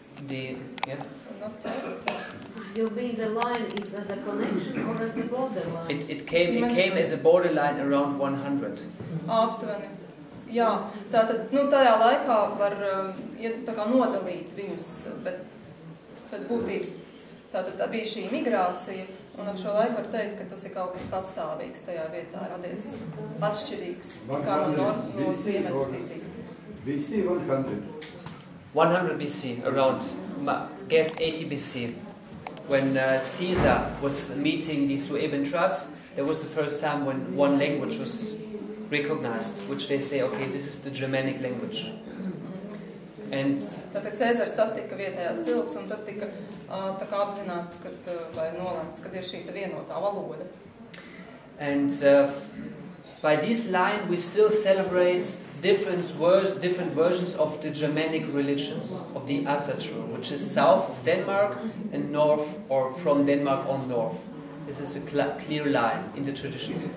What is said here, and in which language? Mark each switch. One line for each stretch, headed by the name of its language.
English: The, yeah? Not ķeltu. you mean the line is as a connection or as a borderline? It came as a borderline around 100.
Latvian: Aptuveni. Jā, tātad, nu, tajā laikā var iet tā kā nodalīt viņus, bet pēc būtības tātad tā bija šī migrācija, un ap šo laiku var teikt, ka tas ir kaut kas patstāvīgs tajā vietā radies atšķirīgs, kā no ziemeļu tīcīs.
English: BC 100. 100 BC, around, guess 80 BC, when Caesar was meeting these Sueban tribes, there was the first time when one language was recognized, which they say, okay, this is the Germanic language. And
Latvian: tātad Cēzar satika vietējās cilvēks un tad tika tā kā apzināts, kad, vai nolēmts, kad ir šī tā vienotā valoda.
English: And by this line we still celebrate different versions of the Germanic religions of the Asatru, which is south of Denmark and north, or from Denmark on north. This is a clear line in the traditions.